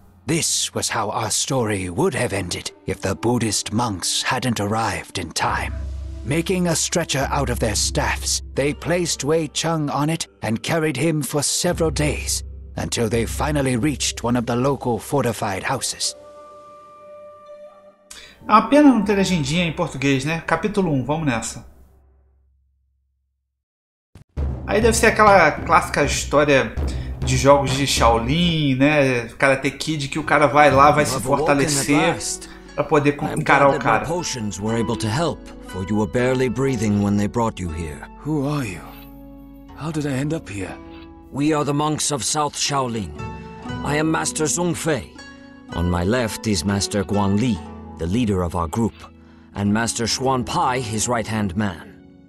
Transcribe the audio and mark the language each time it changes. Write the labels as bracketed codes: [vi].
[en] This was how our story would have ended if the Buddhist monks hadn't arrived in time. Making a stretcher out of their staffs, they placed Wei Chung on it and carried him for several days until they finally reached one of the local fortified houses. [pt] É uma pena não ter legendinha em português, né? Capítulo 1, vamos nessa. Aí deve ser aquela clássica história de jogos de Shaolin, né? Karate Kid, que o cara vai lá, vai se fortalecer para poder encarar o cara. [en] My potions were able to help, for you were barely breathing when they brought you here. Who are you? How did I end up here? We are the monks of South Shaolin. I am Master Zong Fei. On my left is Master Guan Li, the leader of our group, and Master Xuan Pai, his right-hand man.